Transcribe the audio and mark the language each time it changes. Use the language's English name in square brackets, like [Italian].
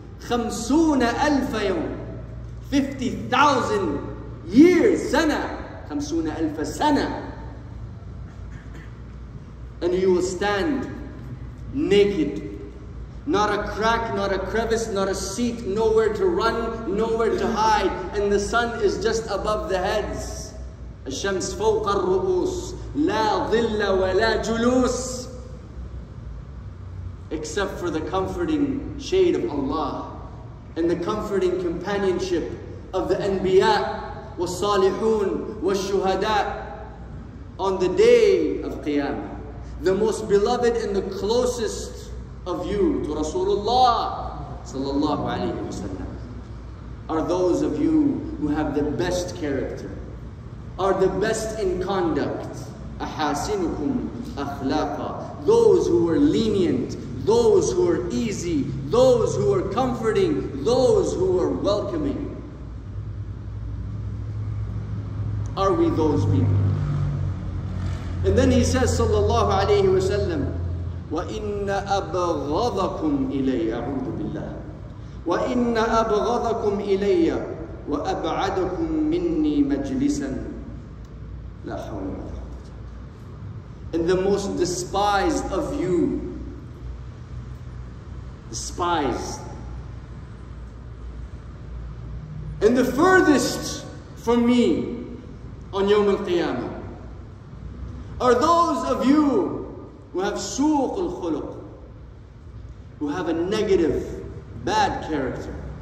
[Arabic] خَمْسُونَ أَلْفَ يَوْمٍ [English] 50,000 years, [Arabic] sana, 50,000 sana. [English] And you will stand naked. Not a crack, not a crevice, not a seat, nowhere to run, nowhere to hide. And the sun is just above the heads. [Arabic] الشمس فوق الرؤوس لا ظل ولا جلوس. [English] Except for the comforting shade of Allah and the comforting companionship of the Anbiya, [Arabic] والصالحون والشهداء [English] on the day of Qiyamah. The most beloved and the closest of you to Rasulullah sallallahu alayhi wa sallam are those of you who have the best character, are the best in conduct. [Arabic] أحاسنكم أخلاقا, [English] those who are lenient, those who are easy, those who are comforting, those who are welcoming. Are we those people? And then he says, [Arabic] sallallahu alayhi wa sallam, وَإِنَّ أَبْغَضَكُمْ إِلَيَّ أَعُوذُ بِاللَّهِ وَإِنَّ أَبْغَضَكُمْ إِلَيَّ وَأَبْعَدَكُمْ مِنِّي مَجْلِسًا لَا حَوْلَ وَلَا قُوَّةَ. [English] And the most despised of you, despised, and the furthest from me on Yawm al-Qiyamah are those of you who have suq al-khuluq, who have a negative, bad character.